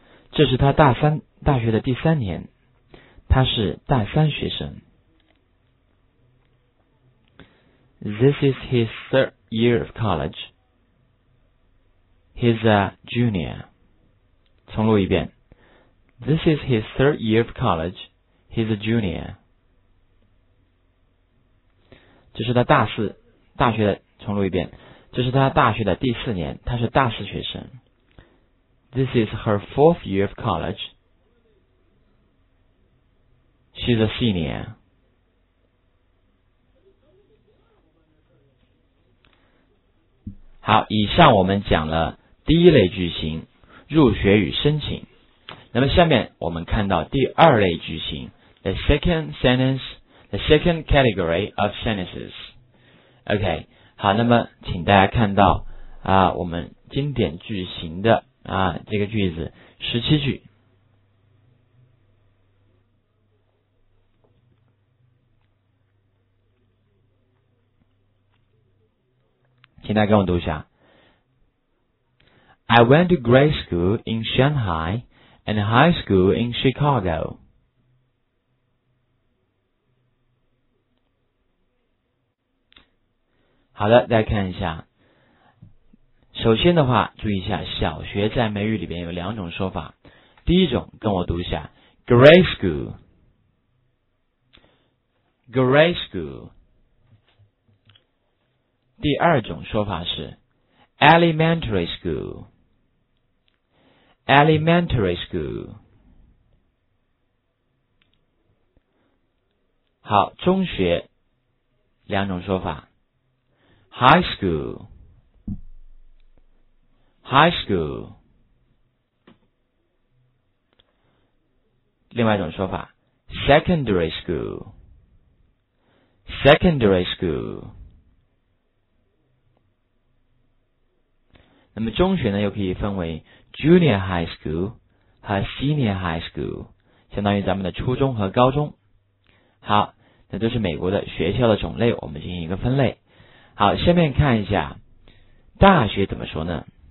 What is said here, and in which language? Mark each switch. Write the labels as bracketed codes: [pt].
[zh] 这是他大学的第三年，他是大三学生。 [en] This is his third year of college. He's a junior. [zh] 重录一遍。 [en] This is his third year of college. He's a junior. [zh] 这是他大四大学的，重录一遍。这是他大学的第四年，他是大四学生。 [en] This is her fourth year of college. She's a senior. [zh] 好，以上我们讲了第一类句型，入学与申请。那么下面我们看到第二类句型， [en] the second sentence, the second category of sentences. [zh] OK, 好，那么请大家看到啊，我们经典句型的啊，这个句子17句。请大家跟我读一下。 [en] I went to grade school in Shanghai and high school in Chicago. [zh] 好的，大家看一下。首先的话，注意一下，小学在美语里边有两种说法。第一种，跟我读一下 ，grade school， grade school。第二种说法是 elementary school， elementary school。好，中学两种说法 ，high school。 [en] High school， [zh] 另外一种说法 [en] ，secondary school，secondary school。 [zh] 那么中学呢，又可以分为 junior high school 和 senior high school， 相当于咱们的初中和高中。好，那都是美国的学校的种类，我们进行一个分类。好，下面看一下大学怎么说呢？